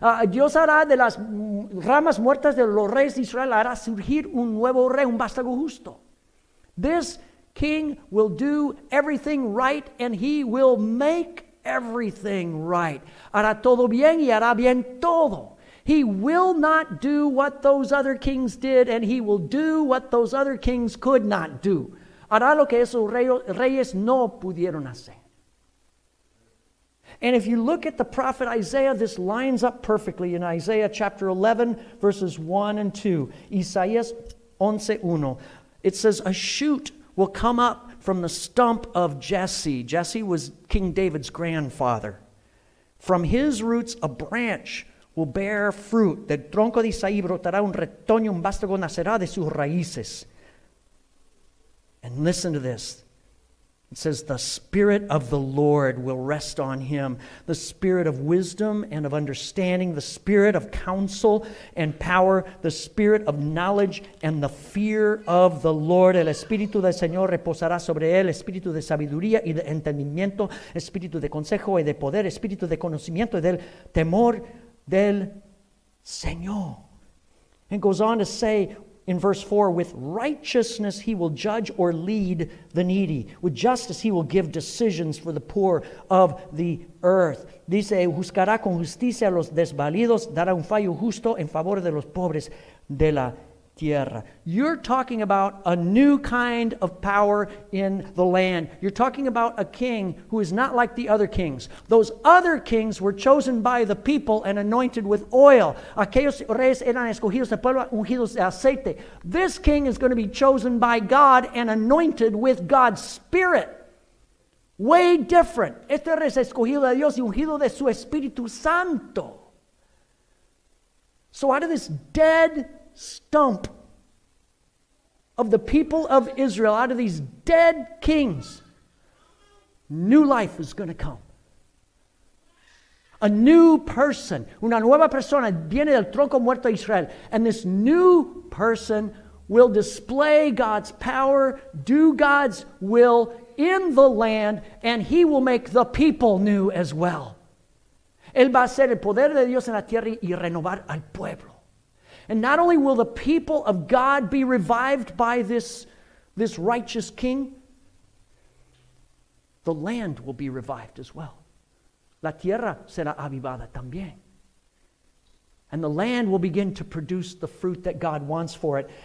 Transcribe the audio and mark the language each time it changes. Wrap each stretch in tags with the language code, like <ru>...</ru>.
<es>Dios hará de las ramas muertas de los reyes de Israel, hará surgir un nuevo rey, un vástago justo. This</es> <en>king will do everything right, and he will make everything right.</en> <es>Hará todo bien y hará bien todo.</es> <en>He will not do what those other kings did, and he will do what those other kings could not do.</en> <es>Hará lo que esos reyes no pudieron hacer.</es> <en>And if you look at the prophet Isaiah, this lines up perfectly in Isaiah chapter 11, verses 1 and 2. Isaías 11:1. It says, a shoot will come up from the stump of Jesse. Jesse was King David's grandfather. From his roots, a branch will bear fruit.</en> <es>Del tronco de Isaí brotará un retoño, un vástago nacerá de sus raíces.</es> <en>And listen to this. It says, the Spirit of the Lord will rest on him, the Spirit of wisdom and of understanding, the Spirit of counsel and power, the Spirit of knowledge and the fear of the Lord.</en> <es>El Espíritu del Señor reposará sobre él, Espíritu de sabiduría y de entendimiento, Espíritu de consejo y de poder, Espíritu de conocimiento y del temor del Señor.</es> <en>It goes on to say, in verse 4, with righteousness he will judge or lead the needy. With justice he will give decisions for the poor of the earth.</en> <es>Dice, juzgará con justicia a los desvalidos, dará un fallo justo en favor de los pobres de la tierra.</es> <en>You're talking about a new kind of power in the land. You're talking about a king who is not like the other kings. Those other kings were chosen by the people and anointed with oil.</en> <es>Aquellos reyes eran escogidos del pueblo, ungidos de aceite.</es> <en>This king is going to be chosen by God and anointed with God's Spirit. Way different.</en> <es>Este rey es escogido de Dios y ungido de su Espíritu Santo.</es> <en>So out of this dead stump of the people of Israel, out of these dead kings, new life is going to come. A new person,</en> <es>una nueva persona viene del tronco muerto de Israel,</es> <en>and this new person will display God's power, do God's will in the land, and he will make the people new as well.</en> <es>Él va a hacer el poder de Dios en la tierra y renovar al pueblo.</es> <en>And not only will the people of God be revived by this righteous king, the land will be revived as well.</en> <es>La tierra será avivada también.</es> <en>And the land will begin to produce the fruit that God wants for it.</en>